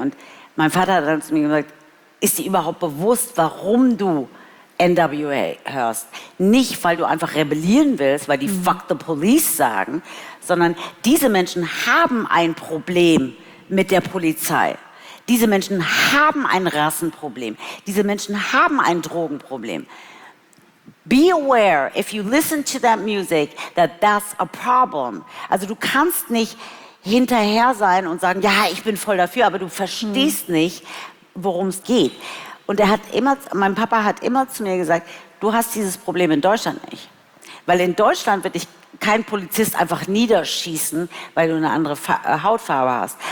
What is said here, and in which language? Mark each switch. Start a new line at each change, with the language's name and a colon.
German: und mein Vater hat dann zu mir gesagt, ist dir überhaupt bewusst, warum du N.W.A. hörst? Nicht, weil du einfach rebellieren willst, weil die Fuck the Police sagen, sondern diese Menschen haben ein Problem mit der Polizei. Diese Menschen haben ein Rassenproblem. Diese Menschen haben ein Drogenproblem.
English: Be aware, if you listen to that music, that that's a problem.
German: Also du kannst nicht hinterher sein und sagen, ja, ich bin voll dafür, aber du verstehst nicht, worum es geht. Und er hat immer, mein Papa hat immer zu mir gesagt, du hast dieses Problem in Deutschland nicht. Weil in Deutschland wird dich kein Polizist einfach niederschießen, weil du eine andere Hautfarbe hast.